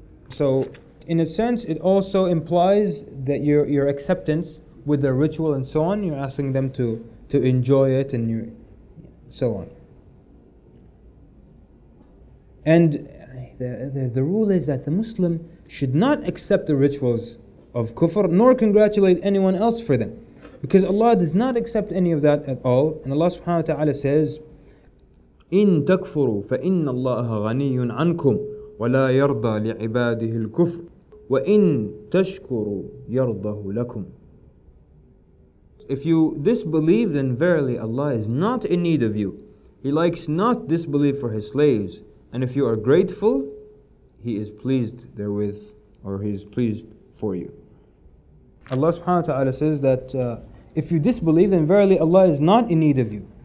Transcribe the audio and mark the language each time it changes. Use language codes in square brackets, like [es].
[en] So, in a sense, it also implies that your acceptance with the ritual and so on, you're asking them to enjoy it and so on. And the rule is that the Muslim should not accept the rituals of kufr, nor congratulate anyone else for them. Because Allah does not accept any of that at all. And Allah subhanahu wa ta'ala says, [ar] إِن تَكْفُرُوا فَإِنَّ اللَّهَ غَنِيٌّ عَنْكُمْ وَلَا يَرْضَى لِعِبَادِهِ الْكُفْرِ وَإِن تَشْكُرُوا يَرْضَهُ لَكُمْ. [en] If you disbelieve, then verily Allah is not in need of you. He likes not disbelief for His slaves. And if you are grateful, He is pleased therewith, or He is pleased for you. Allah subhanahu wa ta'ala says that if you disbelieve, then verily Allah is not in need of you.